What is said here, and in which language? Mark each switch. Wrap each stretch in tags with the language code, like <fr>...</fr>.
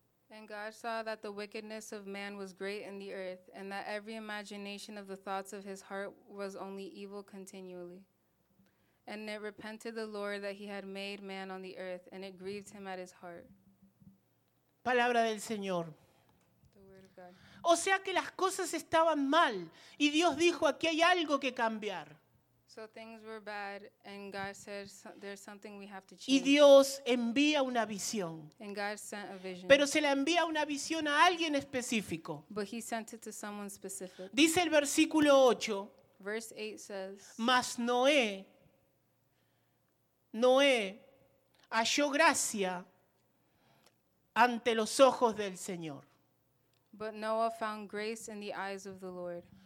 <en>And God saw that the wickedness of man was great in the earth, and that every imagination of the thoughts of his heart was only evil continually. And it repented the Lord that he had made man on the earth, and it grieved him at his heart.</en> <es>Palabra del Señor.</es> <en>The word of God.</en> <es>O sea que las cosas estaban mal, y Dios dijo, aquí hay algo que cambiar.</es> <en>So things were bad, and God said, "There's something we have to change."</en> <es>Y Dios envía una visión.</es> <en>And God sent a vision.</en> <es>Pero se la envía una visión a alguien específico.</es> <en>But he sent it to someone specific.</en> <es>Dice el versículo 8.</es> <en>Verse 8 says.</en> <es>Mas Noé halló gracia ante los ojos del Señor.</es> <en>But Noah found grace in the eyes of the Lord.</en>